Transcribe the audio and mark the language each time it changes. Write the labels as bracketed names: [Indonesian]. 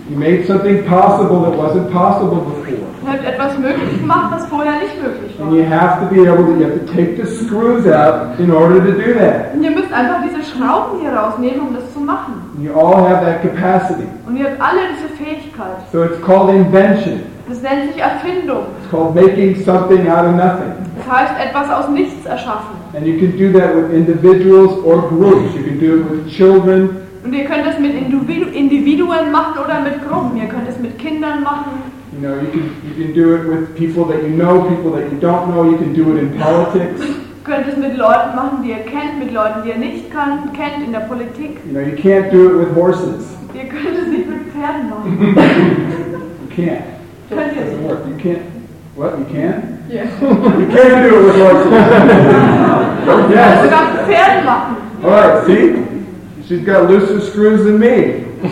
[English] You made something possible that wasn't possible before. [German] Ihr habt etwas möglich gemacht, was das vorher nicht möglich war. [English] And you have to be able to, you have to take the screws out in order to do that. [German] Und ihr müsst einfach diese Schrauben hier rausnehmen, um das zu machen. [English] And you all have that capacity. [German] Und ihr habt alle diese Fähigkeit. [English] So it's called invention. [German] Das nennt sich Erfindung. [English] It's called making something out of nothing. [German] Das heißt, etwas aus nichts erschaffen. [English] And you can do that with individuals or groups. You can do it with children. [German] Und ihr könnt das mit Individuen machen oder mit Gruppen. Ihr könnt es mit Kindern machen. [English] You know, you can do it with people that you know, people that you don't know. You can do it in politics. [German] Ihr könnt es mit Leuten machen, die ihr kennt, mit Leuten, die ihr nicht kennt, in der Politik. [English] You know, you can't do it with horses. [German] Ihr könnt es nicht mit Pferden machen. [English] You can't. [German] Könnt ihr es? [English] You can't. What? You can? Yeah. You can't do it with horses. Yes. [German] Ihr könnt es mit Pferden machen. [English] All right, see? She's got looser screws than me.